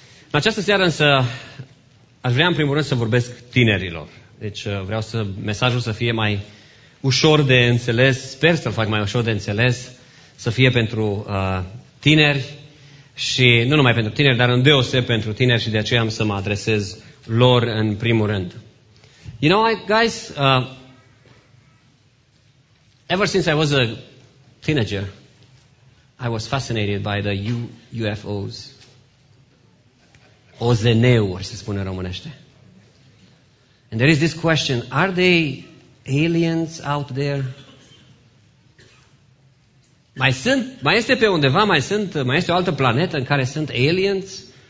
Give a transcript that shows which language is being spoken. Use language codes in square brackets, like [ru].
[ro] În această seară însă aș vrea în primul rând să vorbesc tinerilor. Deci vreau să mesajul să fie mai ușor de înțeles, sper să-l fac mai ușor de înțeles, să fie pentru tineri și nu numai pentru tineri, dar îndeoseb pentru tineri și de aceea am să mă adresez lor în primul rând. [en] You know, guys, ever since I was a teenager, I was fascinated by the UFOs. [ro] OZN-uri, se spune în românește. [en] And there is this question, are they aliens out there? [ro] Mai este o altă planetă în care sunt aliens?